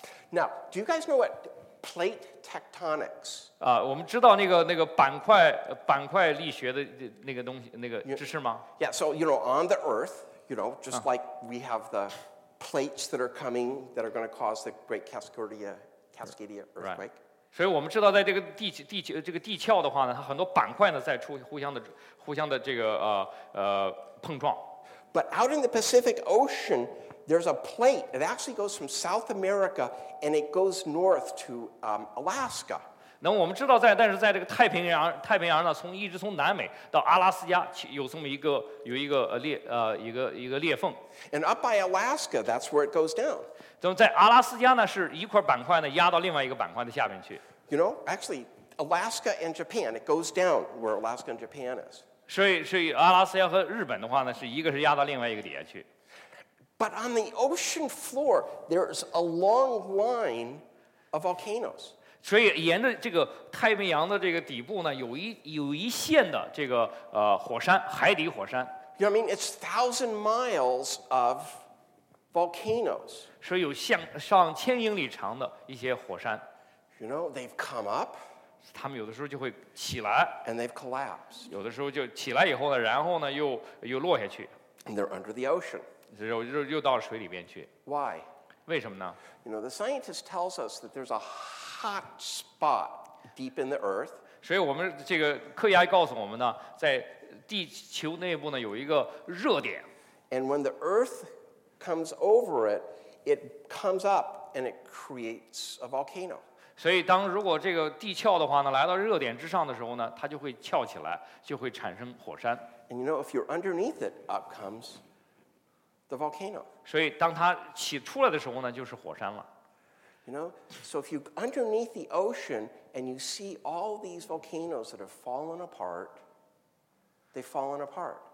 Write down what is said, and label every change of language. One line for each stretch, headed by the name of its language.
English: Now, do you guys know what plate tectonics?
Chinese: 啊，我们知道那个板块力学的那个东西那个知识吗
English: ？Yeah, so you know, on the Earth, you know, just like we have the plates that are coming that are going to cause the Great Cascadia earthquake. Right.
Chinese: 所以我们知道，在这个地壳的话呢，它很多板块呢在互相的这个碰撞。
English: But out in the Pacific Ocean. There's a plate. It actually goes from South America and it goes north to Alaska.
Chinese: 那我们知道但是在这个太平洋呢，从南美到阿拉斯加，有这么一个裂缝。
English: And up by Alaska, that's where it goes down.
Chinese: 那么在阿拉斯加呢，是一块板块呢压到另外一个板块的下面去。
English: You know, actually, Alaska and Japan, it goes down where Alaska and Japan is.
Chinese: 所以阿拉斯加和日本的话呢，是一个是压到另外一个底下去。
English: But on the ocean floor, there's a long line of volcanoes.
Chinese: 所以沿着这个太平洋的这个底部呢，有一线的这个火山，海底火山。
English: You know what I mean? It's 1,000 miles of volcanoes.
Chinese: 所以有上千英里长的一些火山。
English: You know, they've come up.
Chinese: 他们有的时候就会起来。
English: And they've collapsed.
Chinese: 有的时候就起来以后呢，然后呢又落下去。
English: And they're under the ocean.
Chinese: 又到水里边去。
English: Why?
Chinese: 为什么呢
English: ？You know, the scientist tells us that there's a hot spot deep in the earth.
Chinese: 所以我们这个科学家告诉我们呢，在地球内部呢有一个热点。
English: And when the earth comes over it, it comes up and it creates a volcano.
Chinese: 所以当如果这个地壳的话呢，来到热点之上的时候呢，它就会翘起来，就会产生火山。
English: And you know, if you're underneath it, up comes the volcano.
Chinese: 所以当它起出来的时候呢，就是火山了。
English: You know, so if you underneath the ocean and you see all these volcanoes that have fallen apart, they've fallen apart.